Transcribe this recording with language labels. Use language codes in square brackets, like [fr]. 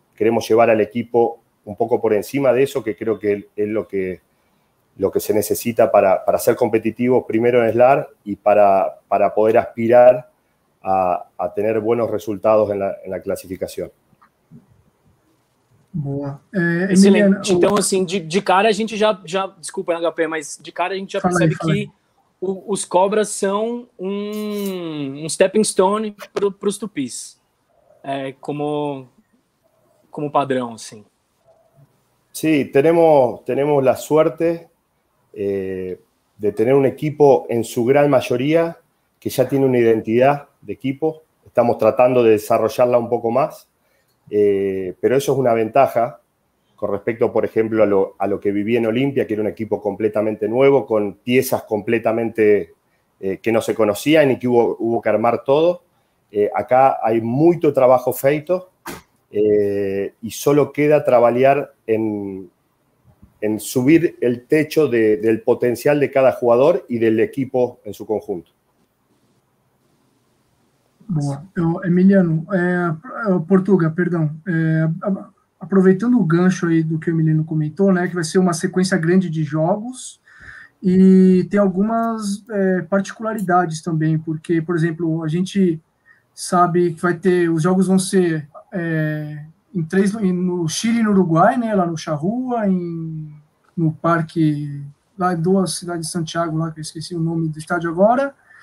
[es] Queremos llevar al equipo un poco por encima de eso, que creo que es lo que se necesita para ser competitivos primero en SLAR y para poder aspirar a tener buenos resultados en la clasificación. [pt] Boa. Emiliano, Excelente. Então, assim, de cara a gente já desculpa, HP, mas de cara a gente já fala aí, percebe fala aí. que os Cobras são um [en] stepping stone [pt] para os Tupis, como padrão, assim. [es] Sí, tenemos la suerte de tener un equipo en su gran mayoría que ya tiene una identidad de equipo. estamos tratando de desarrollarla un poco más, pero eso es una ventaja con respecto, por ejemplo, a lo que viví en Olimpia, que era un equipo completamente nuevo, con piezas completamente que no se conocían y que hubo que armar todo. Acá hay mucho trabajo [pt] feito [es] y solo queda trabajar en subir el techo del potencial de cada jugador y del equipo en su conjunto. Boa. [pt] Emiliano, Portuga, perdão. Aproveitando o gancho aí do que o Emiliano comentou, né, que vai ser uma sequência grande de jogos e tem algumas particularidades também, porque, por exemplo, a gente sabe que vai ter, os jogos vão ser no Chile e no Uruguai, né, lá no Charrua, no parque, lá em duas cidades de Santiago, lá, que eu esqueci o nome do estádio agora.